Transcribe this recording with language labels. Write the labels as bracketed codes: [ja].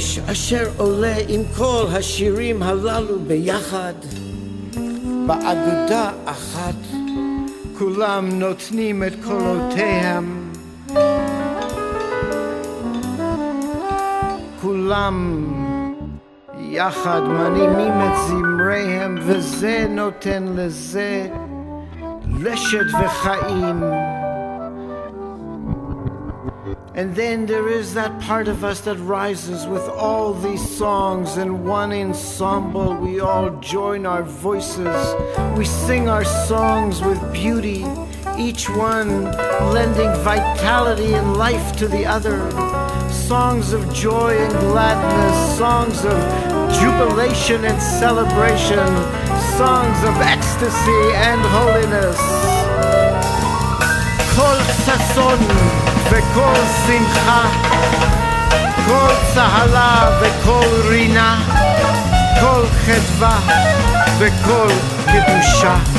[he] אשר עולה עם כל השירים הללו ביחד באגודה אחת, כולם נותנים את קולותיהם, כולם יחד מנימים את זמריהם, וזה נותן לזה לשת וחיים. [en] And then there is that part of us that rises with all these songs in one ensemble. We all join our voices. We sing our songs with beauty, each one lending vitality and life to the other. Songs of joy and gladness, songs of jubilation and celebration, songs of ecstasy and holiness. [he] Kol sason וכל שמחה, כל צהלה וכל רינה, כל חדווה וכל קדושה.